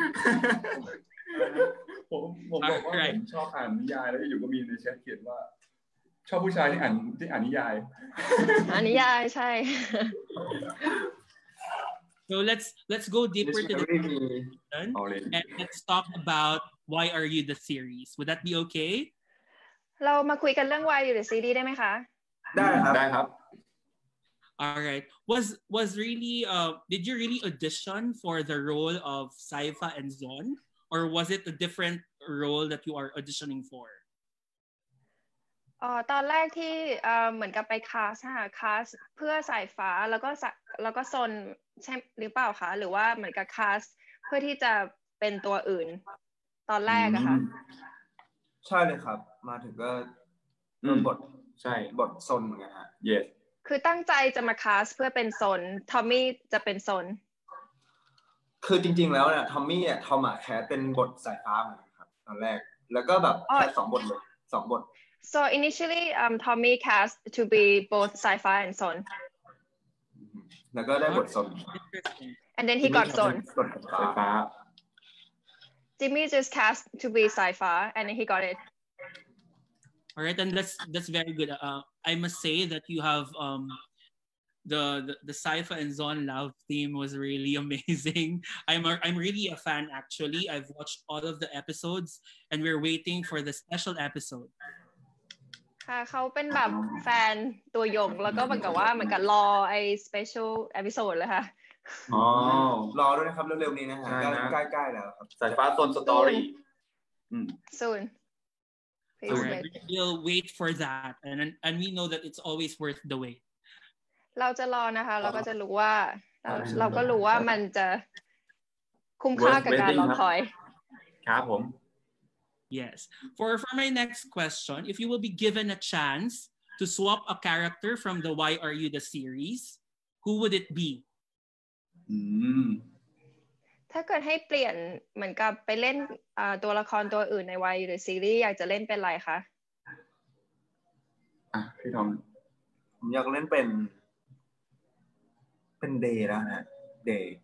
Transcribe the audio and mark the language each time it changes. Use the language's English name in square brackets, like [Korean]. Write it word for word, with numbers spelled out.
[Thai] อะไรนะผมผมบอกว่าผมชอบอ่านนิยายแล้วอยู่ก็มีในแชทเขียนว่าชอบผู้ชายที่อ่านที่อ่านนิยาย อ่านนิยายใช่ [English] So let's let's go deeper to the question and let's talk about Why Are You the Series. Would that be okay? [Thai] เรามาคุยกันเรื่อง Why Are You the Series ได้ไหมคะ ได้ครับ ได้ครับ [English] All right. Was was really uh did you really audition for the role of Saifa and Zon or was it a different role that you are auditioning for? [Thai] เอ่อตอนแรกที่เอ่อเหมือนกับไปคาสหาคาสเพื่อสายฟ้าแล้วก็แล้วก็ซนใช่หรือเปล่าคะหรือว่าเหมือนกับคาสเพื่อที่จะเป็นตัวอื่นตอนแรกอะค่ะ ใช่เลยครับมาถึงก็บท ใช่ บทซนเหมือนกันฮะ [English] yes [Thai] คือตั้งใจจะมาคาสเพื่อเป็นซนทอมมี่จะเป็นซน คือจริงๆแล้วเนี่ยทอมมี่เนี่ยทอมอ่ะแคสเป็นบทสายฟ้าเหมือนกันครับตอนแรกแล้วก็แบบแคสสองบทเลยสองบท [English] So initially, um, Tommy cast to be both Saifa and Son. And then, and then he got Son. Saifa. Jimmy just cast to be Saifa, and then he got it. All right, and that's that's very good. Uh, I must say that you have um, the the, the Saifa and Son love theme was really amazing. I'm a, I'm really a fan actually. I've watched all of the episodes, and we're waiting for the special episode. [Thai] เขาเป็นแบบแฟนตัวยงแล้วก็เหมือนกับว่าเหมือนกับรอไอ้ special episode เลยค่ะ อ๋อ รอด้วยนะครับเร็วๆนี้นะฮะใกล้ๆแล้วครับ สายฟ้าโซนสตอรี่ [English] อืม soon we'll wait for that and and we know that it's always worth the wait [Thai] เราจะรอนะคะเราก็จะรู้ว่าเราเราก็รู้ว่ามันจะคุ้มค่ากับการรอคอย ครับผม [English] Yes. For for my next question, if you will be given a chance to swap a character from the Why Are You the series, who would it be? อืม [Thai] ถ้าเกิดให้เปลี่ยนเหมือนกับไปเล่นอ่าตัวละครตัวอื่นใน Why Are You the series อยากจะเล่นเป็นอะไรคะ อ่ะพี่ทอม ผมอยากเล่นเป็นเป็นเดย์นะฮะเดย์